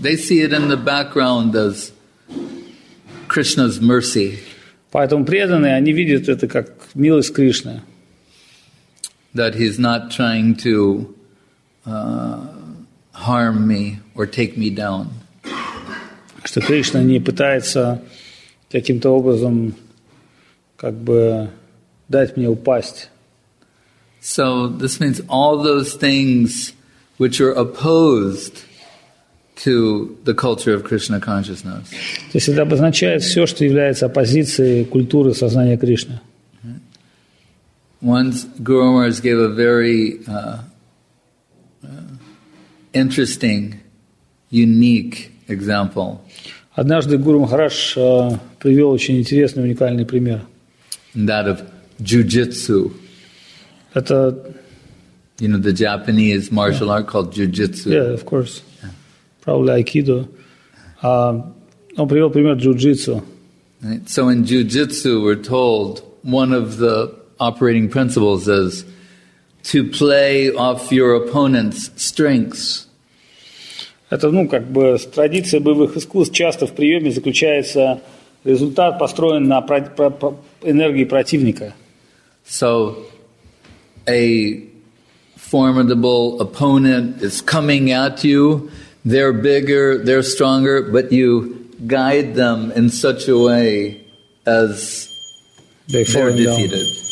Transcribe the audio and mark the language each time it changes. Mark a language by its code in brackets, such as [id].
[en] They see it in the background as Krishna's mercy. [ru] Поэтому преданные, они видят это как милость Кришны. [en] That he's not trying to harm me or take me down. [ru] Что Кришна не пытается каким-то образом как бы дать мне упасть. [en] So this means all those things which are opposed to the culture of Krishna consciousness. [ru] То есть это обозначает все, что является оппозицией культуры сознания Кришны. [en] Once Guru Maharaj gave a very interesting, unique example. [ru] Однажды Гуру Махарадж привел очень интересный, уникальный пример. [en] That of jiu-jitsu. [ru] Это, [en] you know, the Japanese martial art called jiu-jitsu. Yeah, of course. Yeah. Probably aikido. [ru] Он привел пример [en] jiu-jitsu. Right. So in jiu-jitsu, we're told one of the operating principles is to play off your opponent's strengths. [ru] Это, ну, как бы традиция боевых искусств часто в приеме заключается, результат построен на энергии противника. [en] So, a formidable opponent is coming at you, they're bigger, they're stronger, but you guide them in such a way as they're defeated.